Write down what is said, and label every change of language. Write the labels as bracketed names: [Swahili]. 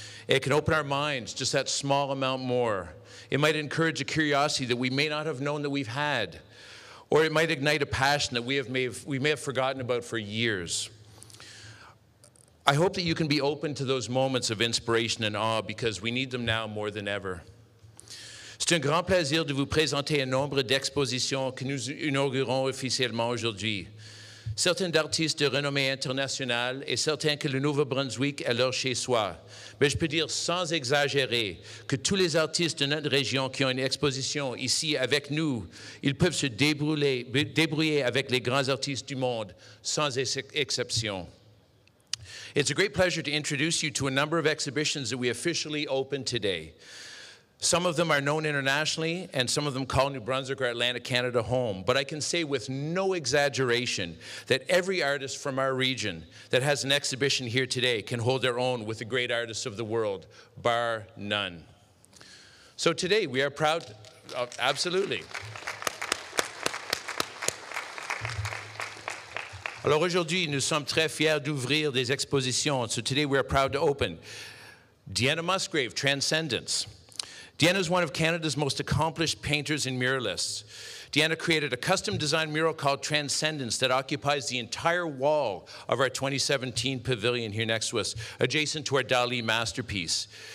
[English] It can open our minds just that small amount more. It might encourage a curiosity that we may not have known that we've had. Or it might ignite a passion that we may have forgotten about for years. I hope that you can be open to those moments of inspiration and awe, because we need them now more than ever. [French] C'est un grand plaisir de vous présenter un nombre d'expositions que nous inaugurons officiellement aujourd'hui. Certains d'artistes de renommée internationale et certains que le Nouveau-Brunswick est leur chez-soi. Mais je peux dire sans exagérer que tous les artistes de notre région qui ont une exposition ici avec nous, ils peuvent se débrouiller avec les grands artistes du monde, sans exception. [English] It's a great pleasure to introduce you to a number of exhibitions that we officially open today. Some of them are known internationally, and some of them call New Brunswick or Atlantic Canada home. But I can say with no exaggeration that every artist from our region that has an exhibition here today can hold their own with the great artists of the world, bar none. So today we are proud, absolutely. [French] Alors aujourd'hui, nous sommes très fiers d'ouvrir des expositions. [English] So today we are proud to open Deanna Musgrave, Transcendence. Deanna is one of Canada's most accomplished painters and muralists. Deanna created a custom design mural called Transcendence that occupies the entire wall of our 2017 pavilion here next to us, adjacent to our Dali masterpiece.